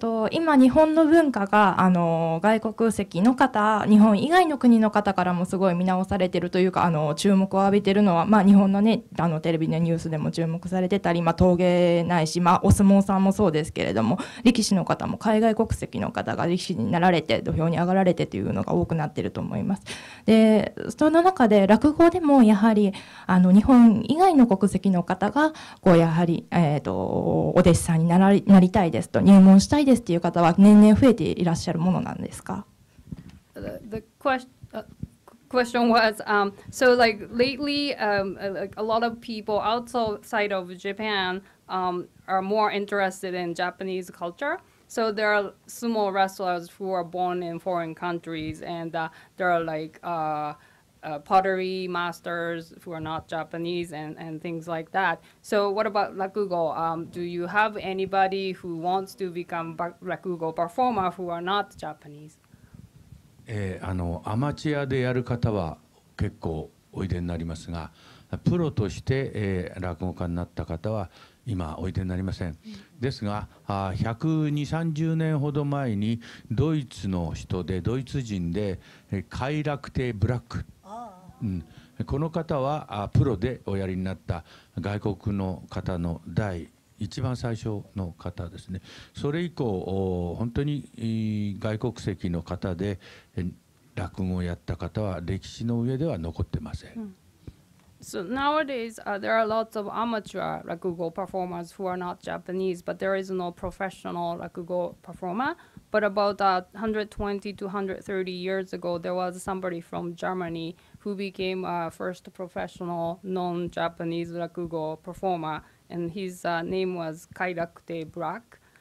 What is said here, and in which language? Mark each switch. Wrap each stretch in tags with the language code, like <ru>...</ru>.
<ja>今日本の文化が外国籍の方、日本以外の国の方からもすごい見直されているというか注目を浴びているのは、日本のね、テレビのニュースでも注目されてたり、陶芸ないし、お相撲さんもそうですけれども、力士の方も海外国籍の方が力士になられて土俵に上がられてというのが多くなっていると思います。でその中で落語でもやはり日本以外の国籍の方がこうやはり、お弟子さんに なりたいですと入門したいですという方は年々増えていらっしゃるものなんですか？</ja> <en>The question was, so like lately, like a lot of people outside of Japan are more interested in Japanese culture. So there are sumo wrestlers who are born in foreign countries, and there are like pottery masters who are not Japanese and things like that. So what about Rakugo? Do you have anybody who wants to become Rakugo performer who are not Japanese?</en> <ja>アマチュアでやる方は結構おいでになりますが、プロとして、落語家になった方は今おいでになりません。ですが120〜130年ほど前にドイツの人で、ドイツ人で快楽亭ブラック、この方はプロでおやりになった外国の方の第一番最初の方ですね。それ以降本当に外国籍の方で落語をやった方は歴史の上では残ってません。</ja> <en>So nowadays, there are lots of amateur 落語 performers who are not Japanese, but there is no professional 落語 performer. But about 120 to 130 years ago, there was somebody from Germany who became a first professional non-Japanese 落語 performerAnd his name was Kairakute Black.</en>